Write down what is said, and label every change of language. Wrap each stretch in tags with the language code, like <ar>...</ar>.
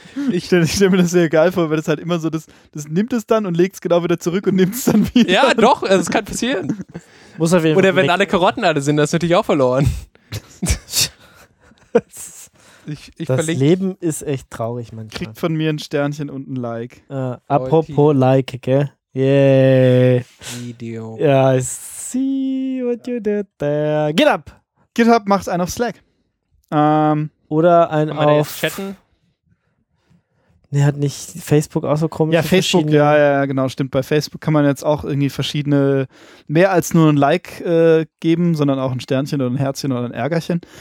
<de>Ich stell mir das sehr geil vor, weil das halt immer so, das nimmt es dann und legt es genau wieder zurück und nimmt es dann wieder. Ja, doch, also das kann passieren. Muss auf jeden Fall. Oder wenn alle Karotten alle sind, das natürlich auch verloren. Das Leben ist echt traurig, man. Kriegt von mir ein Sternchen und ein Like. Apropos Like, gell? Yay. Video.</de> <en>Ja, I see what you did there.</en> <de>GitHub! GitHub macht einen auf Slack. Oder einen auf. Chatten? Nee, hat nicht Facebook auch so komisch? Ja, Facebook, ja, genau, stimmt. Bei Facebook kann man jetzt auch irgendwie verschiedene, mehr als nur ein Like geben, sondern auch ein Sternchen oder ein Herzchen oder ein Ärgerchen.</de>